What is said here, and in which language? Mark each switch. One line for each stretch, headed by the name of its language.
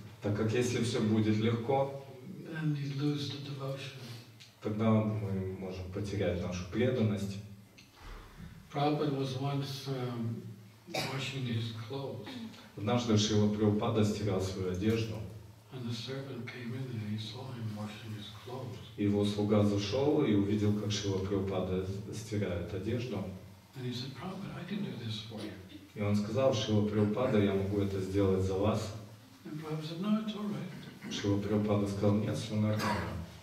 Russian: Так как если все будет легко,
English: then you lose the devotion.
Russian: Тогда мы можем потерять нашу преданность.
English: Prabhupada was once washing his clothes.
Russian: Однажды Шрила Прабхупада стирал свою одежду.
English: And the servant came in and he saw him washing his clothes.
Russian: Его слуга зашел и увидел, как Шрила Прабхупада стирает одежду.
English: And he said, Prabhupada, I can do this for you.
Russian: И он сказал, Шрила Прабхупада, я могу это сделать за вас.
English: And Prabhupada said, no, it's all right.
Russian: Шрила Прабхупада сказал, нет, все нормально.